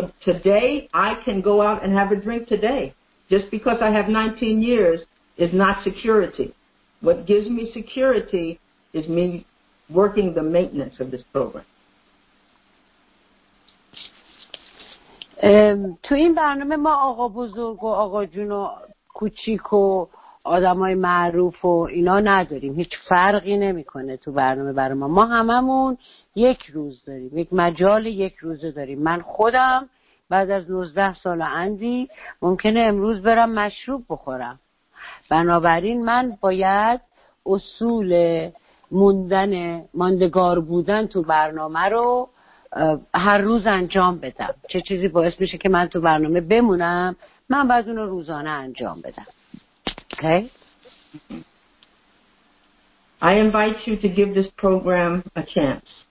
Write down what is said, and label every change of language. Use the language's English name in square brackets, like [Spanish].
[English] Today, I can go out and have a drink today. Just because I have 19 years is not security. What gives me security is me working the maintenance of this program. [Persian] تو این برنامه ما آقا بزرگ و آقا جون و کوچیک و آدم های معروف و اینا نداریم. هیچ فرقی نمی کنه تو برنامه برای ما. ما هممون یک روز داریم. یک مجال یک روز داریم. من خودم بعد از 19 سال اندی ممکنه امروز برم مشروب بخورم. بنابراین من باید اصول موندن ماندگار بودن تو برنامه رو هر روز انجام بدم. چه چیزی باعث میشه که من تو برنامه بمونم؟ من باید اون رو روزانه انجام بدم. [English] Okay. I invite you to give this program a chance.